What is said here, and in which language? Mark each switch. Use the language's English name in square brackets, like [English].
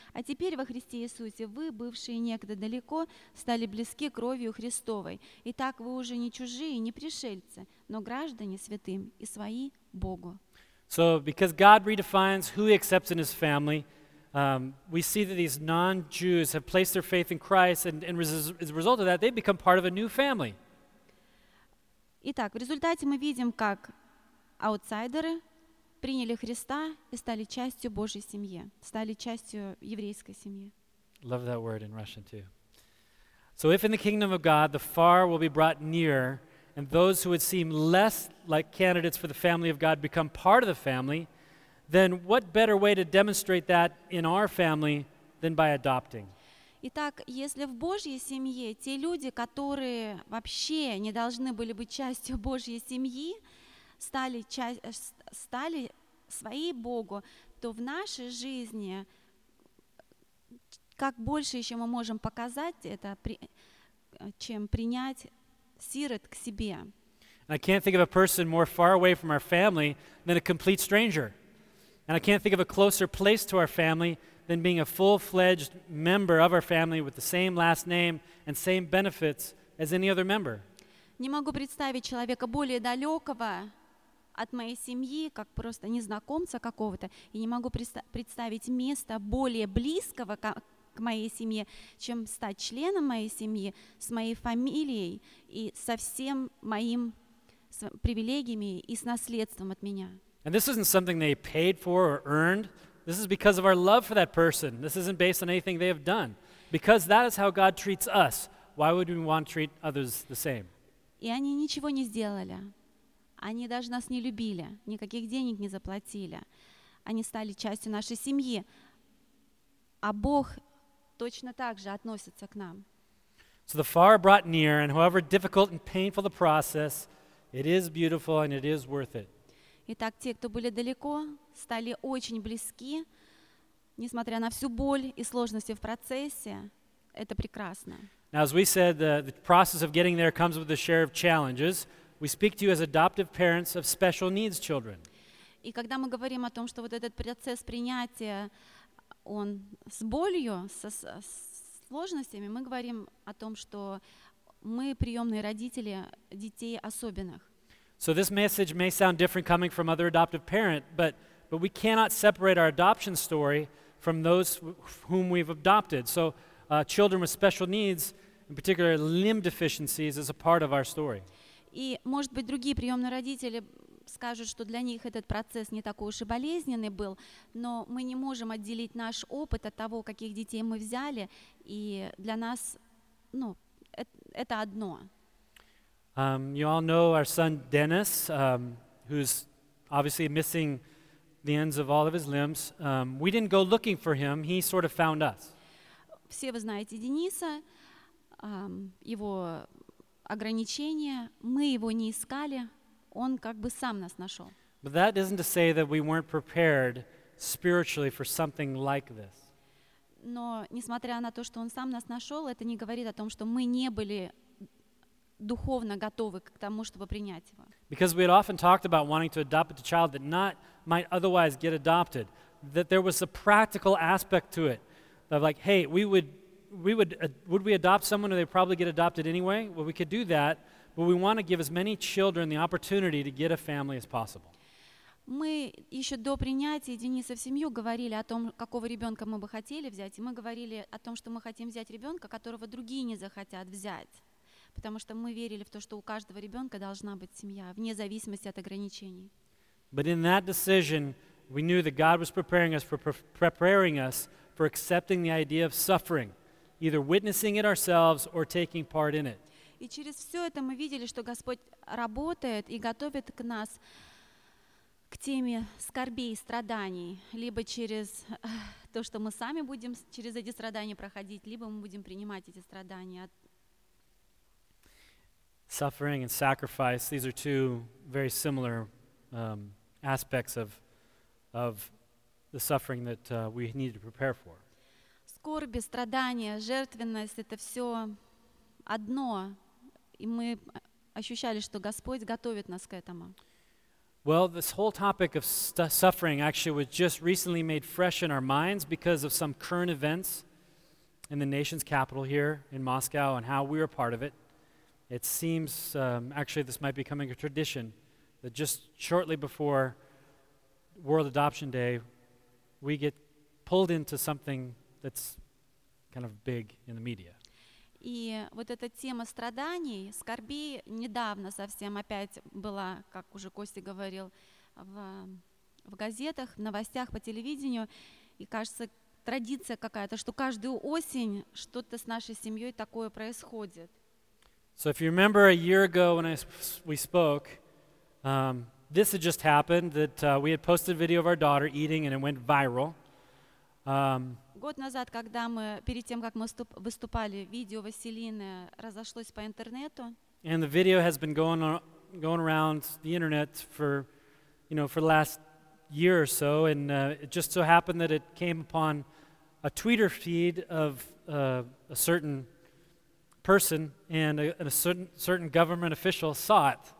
[Russian] А теперь во Христе Иисусе вы, бывшие некогда далеко, стали близки кровью Христовой. Итак, вы уже не чужие, не пришельцы, но граждане святым и свои Богу. [English] So, because God redefines who he accepts in his family, we see that these non-Jews have placed their faith in Christ, and as a result of that, they become part of a new family. [Russian] Итак, в результате мы видим, как аутсайдеры приняли Христа и стали частью Божьей семьи, стали частью еврейской семьи. [English] Love that word in Russian too. So if in the kingdom of God the far will be brought near and those who would seem less like candidates for the family of God become part of the family, then what better way to demonstrate that in our family than by adopting? [Russian] Итак, если в Божьей семье те люди, которые вообще не должны были быть частью Божьей семьи, стали своей Богу, то в нашей жизни как больше еще мы можем показать это, чем принять сирот к себе? [English] And I can't think of a person more far away from our family than a complete stranger. And I can't think of a closer place to our family than being a full-fledged member of our family with the same last name and same benefits as any other member. [Russian] Не могу представить человека более далекого от моей семьи, как просто незнакомца какого-то, и не могу представить места более близкого к моей семье, чем стать членом моей семьи с моей фамилией и со всем моим привилегиями и с наследством от меня. [English] And this isn't something they paid for or earned. This is because of our love for that person. This isn't based on anything they have done. Because that is how God treats us. Why would we want to treat others the same? [Russian] И они ничего не сделали. Они даже нас не любили, никаких денег не заплатили. Они стали частью нашей семьи. А Бог точно так же относится к нам. [English] So the far brought near, and however difficult and painful the process, it is beautiful and it is worth it. [Russian] Итак, те, кто были далеко, стали очень близки, несмотря на всю боль и сложности в процессе, это прекрасно. [English] Now, as we said, the process of getting there comes with a share of challenges. We speak to you as adoptive parents of special needs children. [Russian] И когда мы говорим о том, что вот этот процесс принятия, он с болью, с сложностями, мы говорим о том, что мы приемные родители детей особенных. [English] So this message may sound different coming from other adoptive parent, but we cannot separate our adoption story from those whom we've adopted. So children with special needs, in particular limb deficiencies, is a part of our story. [Russian] И, может быть, другие приемные родители скажут, что для них этот процесс не такой уж и болезненный был, но мы не можем отделить наш опыт от того, каких детей мы взяли, и для нас, ну, это одно. [English] You all know our son Dennis, who's obviously missing the ends of all of his limbs. We didn't go looking for him. He sort of found us. [Russian] Все вы знаете Дениса, его ограничения. Мы его не искали. Он как бы сам нас нашел. [English] But that isn't to say that we weren't prepared spiritually for something like this. [Russian] Но несмотря на то, что он сам нас нашел, это не говорит о том, что мы не были духовно готовы к тому, чтобы принять его. [English] Because we had often talked about wanting to adopt a child that not might otherwise get adopted, that there was a practical aspect to it, of like, hey, would we adopt someone or they probably get adopted anyway? Well, we could do that, but we want to give as many children the opportunity to get a family as possible. [Russian] Мы еще до принятия Дениса в семью говорили о том, какого ребенка мы бы хотели взять, и мы говорили о том, что мы хотим взять ребенка, которого другие не захотят взять. Потому что мы верили в то, что у каждого ребенка должна быть семья, вне зависимости от ограничений. [English] But in that decision, we knew that God was preparing us for accepting the idea of suffering, either witnessing it ourselves or taking part in it. [Russian] И через все это мы видели, что Господь работает и готовит к нас к теме скорбей, страданий, либо через то, что мы сами будем через эти страдания проходить, либо мы будем принимать эти страдания. [English] Suffering and sacrifice, these are two very similar aspects of the suffering that we need to prepare for. [Russian] Скорби, страдания, жертвенность — это все одно, и мы ощущали, что Господь готовит нас к этому. [English] Well, this whole topic of suffering actually was just recently made fresh in our minds because of some current events in the nation's capital here in Moscow and how we are part of it. It seems, actually, this might be becoming a tradition that just shortly before World Adoption Day, we get pulled into something that's kind of big in the media. [Russian] И вот эта тема страданий, скорби, недавно совсем опять была, как уже Костя говорил, в газетах, в новостях, по телевидению. И кажется, традиция какая-то, что каждую осень что-то с нашей семьей такое происходит. [English] So if you remember a year ago when we spoke, this had just happened, that we had posted a video of our daughter eating and it went viral. [Russian] Год назад, когда мы перед тем, как мы выступали, видео Василины разошлось по интернету. [English] And the video has been going around the internet for, you know, for the last year or so, and it just so happened that it came upon a Twitter feed of a certain person, and a certain government official saw it.